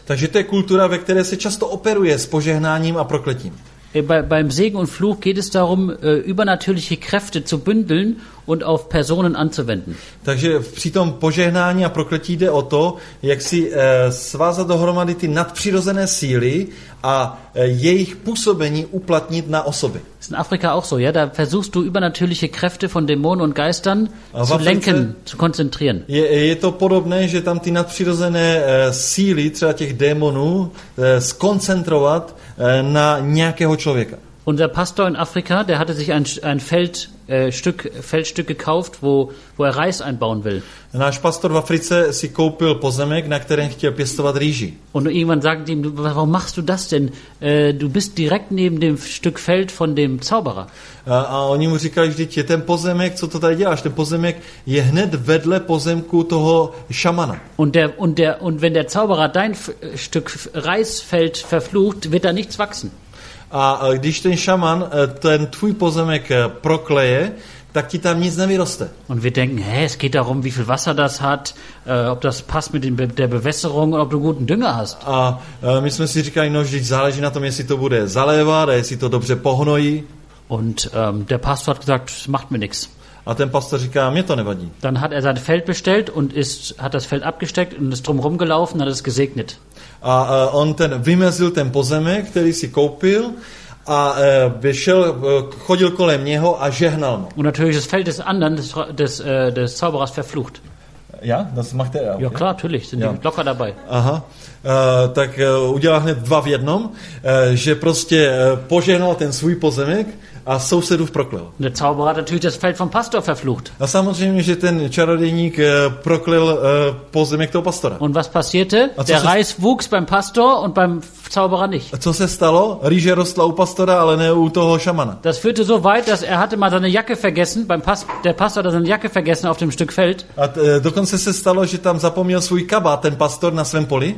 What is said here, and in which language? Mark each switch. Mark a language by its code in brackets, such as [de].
[cs] Takže to je kultura, ve které se často operuje s požehnáním a prokletím. [de] Beim Segen und Fluch geht es darum, übernatürliche Kräfte zu bündeln und auf Personen anzuwenden. [cs] Takže při tom požehnání a prokletí jde o to, jak si svázat dohromady ty nadpřirozené síly a jejich působení uplatnit na osoby. [de] Ist in Afrika auch so, ja? Da versuchst du übernatürliche Kräfte von Dämonen und Geistern zu lenken, zu konzentrieren. [cs] Je to podobné, že tam ty nadpřirozené síly třeba těch démonů skoncentrovat na nějakého člověka. [de] Unser Pastor in Afrika, der hatte sich ein Feldstück gekauft, wo er Reis einbauen will. [cs] Náš pastor v Africe si koupil pozemek, na kterém chtěl pěstovat rýži. [de] Und irgendwann sagte ihm, warum machst du das denn? Du bist direkt neben dem Stück Feld von dem Zauberer. [cs] A oni mu říkali, že je ten pozemek, co to tady děláš, ten pozemek je hned vedle pozemku toho šamana. [de] Und wenn der Zauberer dein Stück Reisfeld verflucht, wird da nichts wachsen. [cs] A když ten šaman ten tvůj pozemek prokleje, tak ti tam nic nevyroste. [de] Und wir denken, es geht darum, wie viel Wasser das hat, ob das passt mit der Bewässerung und ob du guten Dünger hast. [cs] A my jsme si říkali, no vždyť záleží na tom, jestli to bude zalévat, jestli to dobře pohnojí. [de] Und der Pastor hat gesagt, macht mir nichts. [cs] A ten pastor říká, mě to nevadí. [de] Dann hat er sein Feld bestellt und hat das Feld abgesteckt und ist drum rumgelaufen, hat es gesegnet. [cs] A on ten vymezil ten pozemek, který si koupil a vyšel, chodil kolem něho a žehnal mu. [de] Und natürlich das Feld des anderen, des Zauberers verflucht. Ja, das macht er. Ja, klar, natürlich, sind ja. Die locker dabei. [cs] Aha, tak udělal hned dva v jednom, že prostě požehnal ten svůj pozemek a sousedův proklel. [de] Der Zauberer natürlich das Feld vom Pastor verflucht. [cs] A samozřejmě, že ten čarodějník proklil pozemek toho pastora. [de] Und was passierte? Der Reis wuchs beim Pastor und beim Zauberer nicht. [cs] A co se stalo? Rýže rostla u pastora, ale ne u toho šamana. [de] Das führte so weit, dass er hatte mal seine Jacke vergessen beim Pastor hatte seine Jacke vergessen auf dem Stück Feld. [cs] A dokonce se stalo, že tam zapomněl svůj kabát ten pastor na svém poli.